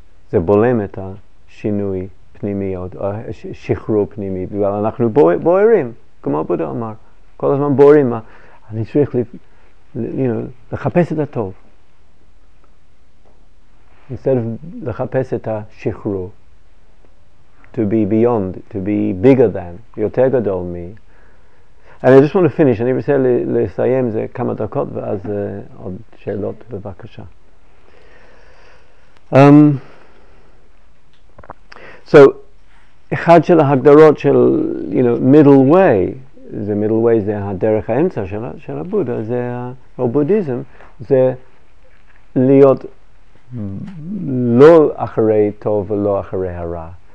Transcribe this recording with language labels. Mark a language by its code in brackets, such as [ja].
[he] זה בולם את השינוי פנימי, שחרור פנימי, בגלל אנחנו בוערים, כמו בודה אמר. כל הזמן בוערים, אני צריך לחפש את הטוב. [en] Instead of [he] לחפש את השחרור. [en] To be beyond, to be bigger than, [he] יותר גדול מ... [en] And I just want to finish, [he] אני רוצה לסיים זה כמה דקות ואז עוד שאלות בבקשה. [en] So, [he] אחד של ההגדרות של, [en] you know, middle way, [he] זה [en] middle way [he] זה הדרך האמצע של הבודה, זה הבודיזם, זה להיות לא אחרי טוב ולא אחרי הרע.